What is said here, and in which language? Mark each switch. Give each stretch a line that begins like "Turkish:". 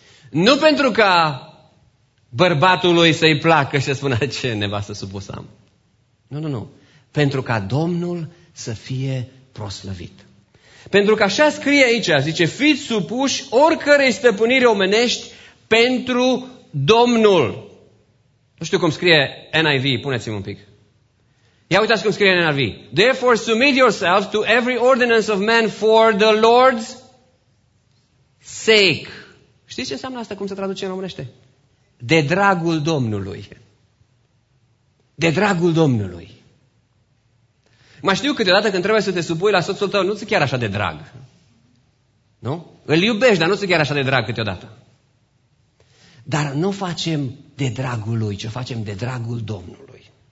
Romanian: Nu pentru ca bărbatului să-i placă și să spună ce nevastă supusă am. Nu. Pentru ca Domnul să fie proslăvit. Pentru că așa scrie aici, zice, fiți supuși oricărei stăpâniri omenești pentru Domnul. Nu știu cum scrie NIV, puneți-mi un pic. Ia uitați cum scrie NIV.
English: Therefore submit yourself to every ordinance of man for the Lord's sake.
Romanian: Știți ce înseamnă asta, cum se traduce în românește? De dragul Domnului. De dragul Domnului. Mai știu câteodată când trebuie să te supui la soțul tău, nu ți-e chiar așa de drag. Nu? Îl iubești, dar nu ți-e chiar așa de drag câteodată. Dar nu facem de dragul lui, ci o facem de dragul Domnului.